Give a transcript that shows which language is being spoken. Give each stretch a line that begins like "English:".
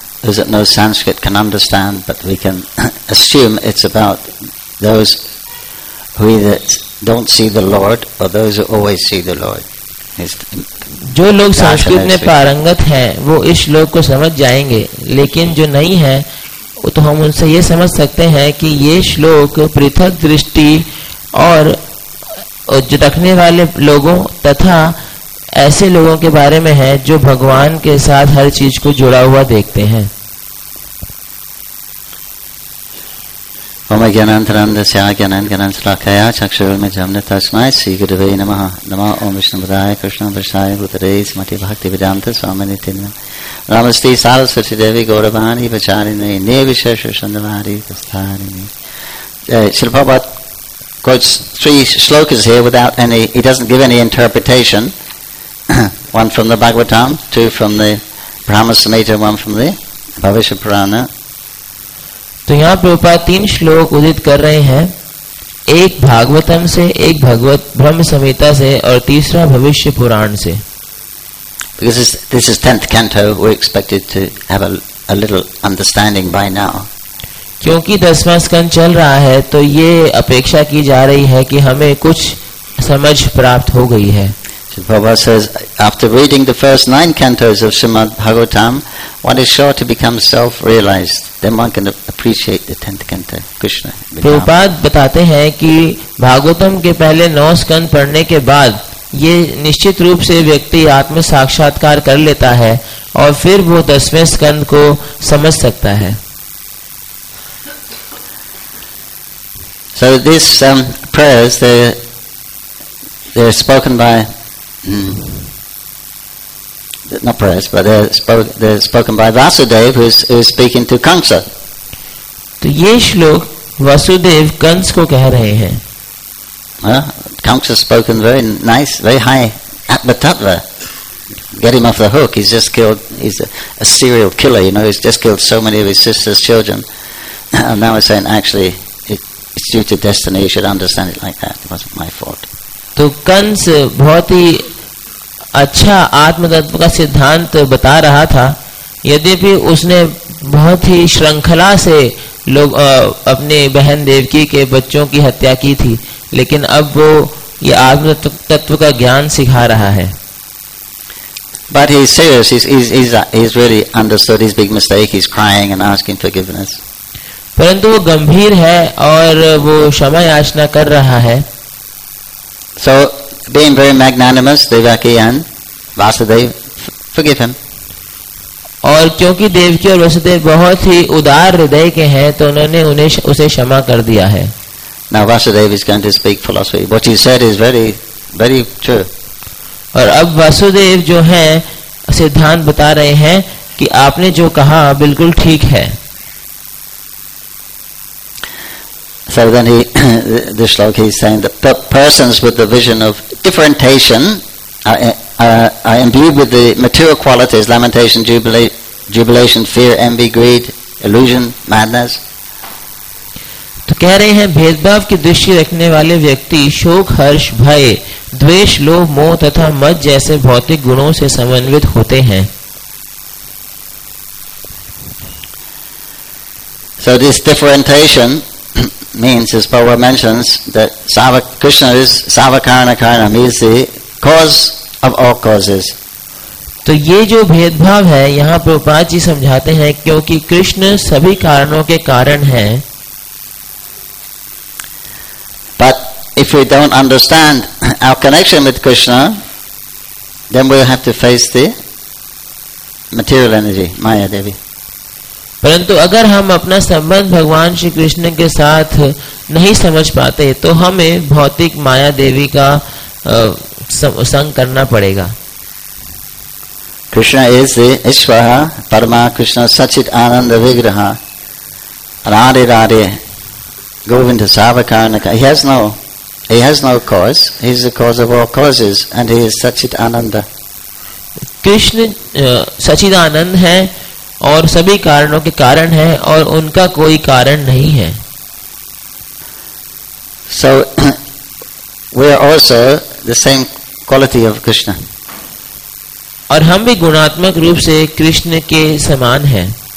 English: Is it no Sanskrit can understand, but we can assume it's about those who either don't see the Lord or those who always see the Lord.
Hindi: जो लोग संस्कृत में पारंगत हैं, वो इस श्लोक को समझ जाएंगे, लेकिन जो नहीं है, तो हम उनसे ये समझ सकते हैं कि ये श्लोक पृथक दृष्टि और रखने वाले लोगों तथा ऐसे लोगों के बारे में है जो भगवान के साथ हर चीज को जुड़ा हुआ देखते हैं।
Sanskrit: ओम ज्ञानानंद स्या ज्ञानानंद श्लाखया चक्षुर्मीजं तस्मै श्री गुरवे नमः। नमः ओम विष्णुपदाय कृष्णवर्षाय भूतले स्मृति भक्ति वेदांत स्वामिनि नमस्ते सारस्वती देवी गौरवाणी विचारिणी निर्विशेष सुंदरी स्थानिनी।
English: Shripada quotes three shlokas here without any, he doesn't give any interpretation. One from the Bhagavatam, two from the Brahma Samhita, one from the Bhavishya Purana.
Hindi: तो यहाँ प्रभुपाद तीन श्लोक उदित कर रहे हैं, एक भागवतम से, एक भगवत ब्रह्म संहिता से और तीसरा भविष्य पुराण से।
English: Because this is 10th canto, we're expected to have a little understanding by now.
Hindi: क्योंकि दसवां स्कंद चल रहा है, तो ये अपेक्षा की जा रही है कि हमें कुछ समझ प्राप्त हो गई है।
English: Prabhupada says, after reading the first 9 cantos of Srimad Bhagavatam, one is sure to become self-realized. Then one can appreciate the 10th canto, Krishna.
Hindi: Prabhupada बताते हैं कि भागवतम के पहले 9 स्कंद पढ़ने के बाद ये निश्चित रूप से व्यक्ति आत्म साक्षात्कार कर लेता है और फिर वो 10वें स्कंद को समझ सकता है।
English: So these prayers, they're spoken by not prayers, but they're spoken by Vasudev, who is speaking to Kansa.
Hindi: तो ये श्लोक वासुदेव कंस को कह रहे हैं।
English: Kansa spoken very nice, very high atmatattva. Get him off the hook. He's just killed. He's a serial killer. You know, he's just killed so many of his sister's children. And now he's saying, actually, it's due to destiny. You should understand it like that. It wasn't my fault.
Hindi: तो कंस बहुत ही अच्छा आत्मतत्व का सिद्धांत बता रहा था, यद्यपि उसने बहुत ही श्रृंखला से लोग अपने बहन देवकी के बच्चों की हत्या की थी, लेकिन अब वो ये आत्मतत्व का ज्ञान सिखा रहा है।
English: But he's serious. He's really understood his big mistake. He's crying and asking forgiveness.
Hindi: परंतु वो गंभीर है और वो क्षमा याचना कर रहा है।
English: So being very magnanimous, Devakiyan, Vasudev, forgive him.
Hindi: और क्योंकि देवकी और वसुदेव बहुत ही उदार हृदय के हैं, तो उन्होंने उन्हें उसे क्षमा कर दिया है।
English: Now Vasudev is going to speak philosophy. What he said is very, very true.
Hindi: और अब वासुदेव जो है सिद्धांत बता रहे हैं कि आपने जो कहा बिल्कुल ठीक है।
English: So then he, the shlok, he's saying that persons with the vision of differentiation are imbued with the mature qualities, lamentation, jubilation, fear, envy, greed, illusion, madness.
Hindi: तो कह रहे हैं भेदभाव की दृष्टि रखने वाले व्यक्ति शोक हर्ष भय द्वेष लोभ मोह तथा मद जैसे भौतिक गुणों से समन्वित होते हैं।
English: So this differentiation means, as Prabhupada mentions, that Sava Krishna is Sava Karana Karana, means the cause of all causes.
Hindi: तो ये जो भेदभाव है यहाँ प्रभुपाद जी समझाते हैं क्योंकि कृष्ण सभी कारणों के कारण है।
English: If we don't understand our connection with Krishna, then we'll have to face the material energy, Maya Devi.
Hindi: परंतु अगर हम अपना संबंध भगवान श्री कृष्ण के साथ नहीं समझ पाते तो हमें भौतिक माया देवी का संग करना पड़ेगा।
English: Krishna is the Ishvara, Parama Krishna, Sachit Ananda Vigraha, Radhe Radhe, Govinda Savakarana. He has no cause. He is the cause of all causes, and he is Sachit Ananda.
Hindi: Krishna Sachit Anand है और सभी कारणों के कारण है और उनका कोई कारण नहीं है।
English: So we are also the same quality of Krishna.
Hindi: और हम भी गुणात्मक रूप से कृष्ण के समान हैं।